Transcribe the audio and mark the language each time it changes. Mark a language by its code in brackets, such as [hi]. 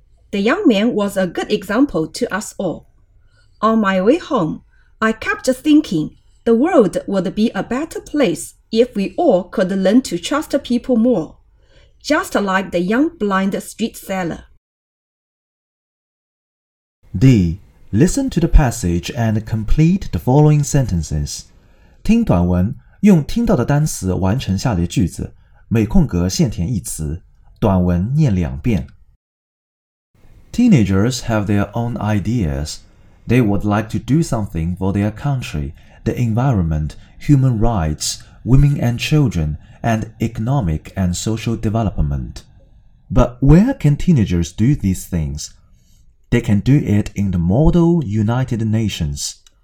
[en] The young man was a good example to us all. On my way home, I kept thinking the world would be a better place if we all could learn to trust people more, just like the young blind street seller. D. Listen to the passage and complete the following sentences. [zh] 听短文，用听到的单词完成下列句子，每空格限填一词，短文念两遍。 [en] Teenagers have their own ideas. They would like to do something for their country, the environment, human rights, women and children, and economic and social development. But where can teenagers do these things? They can do it in the model United Nations.